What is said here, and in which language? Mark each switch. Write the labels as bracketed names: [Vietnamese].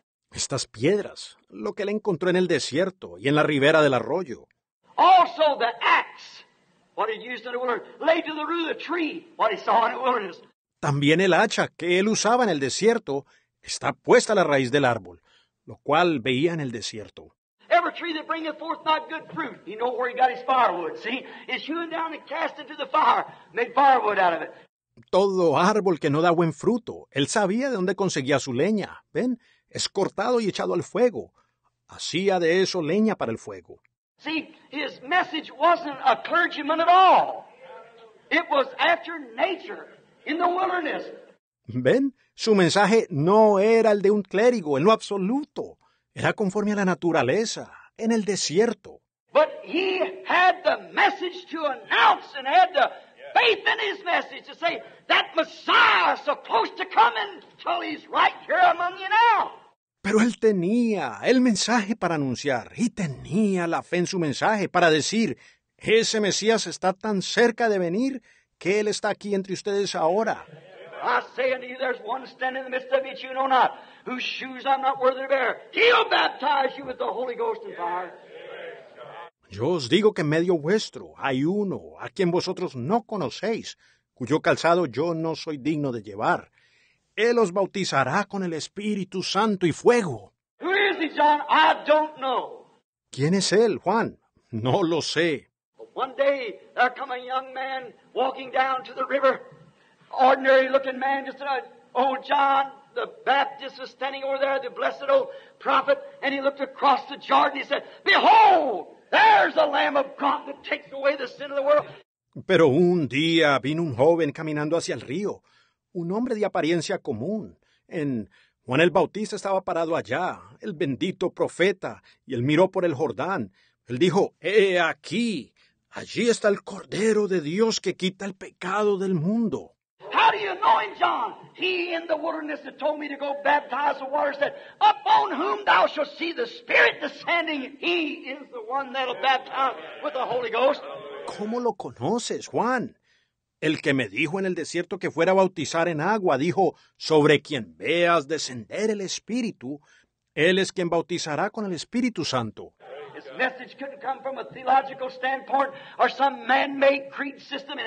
[Spanish] Estas piedras, lo que él encontró en el desierto y en la ribera del arroyo. [English] Also the axe, what he used in the wilderness, laid to the root of the tree, what he saw in the wilderness. [Spanish] También el hacha que él usaba en el desierto está puesta a la raíz del árbol, lo cual veía en el desierto. [English] Every tree that bringeth forth not good fruit, you know where he got his firewood, see? It's hewn down and cast into the fire, made firewood out of it. [Spanish] Todo árbol que no da buen fruto, él sabía de dónde conseguía su leña, ¿ven? Es cortado y echado al fuego. Hacía de eso leña para el fuego. [English] See, his message wasn't a clergyman at all. It was after nature. In the wilderness. [Spanish] ¿Ven? Su mensaje no era el de un clérigo en lo absoluto. Era conforme a la naturaleza, en el desierto. [English] But he had the message to announce and had the faith in his message to say that Messiah is supposed to come and tell he's right here among you now. [Spanish] Pero él tenía el mensaje para anunciar y tenía la fe en su mensaje para decir, ese Mesías está tan cerca de venir que él está aquí entre ustedes ahora. [English] I say unto you, there's one standing in the midst of you that you know not, whose shoes I'm not worthy to bear. He'll baptize you with the Holy Ghost and fire. [Spanish] Yo os digo que en medio vuestro hay uno a quien vosotros no conocéis, cuyo calzado yo no soy digno de llevar. Él os bautizará con el Espíritu Santo y fuego. [English] Who is he, John? I don't know. [Spanish] ¿Quién es él, Juan? No lo sé. [English] One day, there come a young man walking down to the river. Ordinary looking man, just an old John, the Baptist was standing over there, the blessed old prophet. And he looked across the Jordan, he said, behold, there's the Lamb of God that takes away the sin of the world. [Spanish] Pero un día vino un joven caminando hacia el río, un hombre de apariencia común. En Juan el Bautista estaba parado allá, el bendito profeta, y él miró por el Jordán. Él dijo, he aquí. Allí está el Cordero de Dios que quita el pecado del mundo. [English] How do you know him, John? He in the wilderness that told me to go baptize the water said, upon whom thou shalt see the Spirit descending, he is the one that'll baptize with the Holy Ghost. [Spanish] ¿Cómo lo conoces, Juan? El que me dijo en el desierto que fuera a bautizar en agua dijo, sobre quien veas descender el Espíritu, él es quien bautizará con el Espíritu Santo. [English] His message couldn't come from a theological standpoint or some man-made creed system.